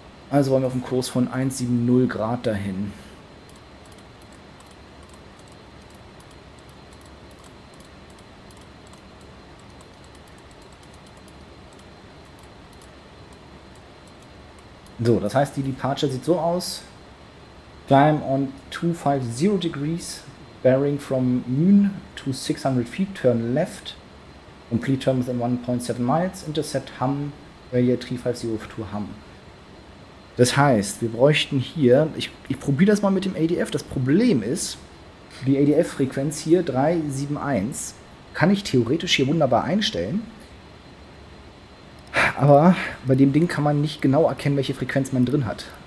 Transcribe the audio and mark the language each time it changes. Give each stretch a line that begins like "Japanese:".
German: Also wollen wir auf einem Kurs von 170 Grad dahin. So, das heißt, die Departure sieht so aus.
English: Climb on 250 degrees, bearing from moon to 600 feet, turn left, complete turn within 1.7 miles, intercept Hamm, radial 350 to Hamm.
German: Das heißt, wir bräuchten hier, ich probiere das mal mit dem ADF, das Problem ist, die ADF-Frequenz hier 371 kann ich theoretisch hier wunderbar einstellen, aber bei dem Ding kann man nicht genau erkennen, welche Frequenz man drin hat.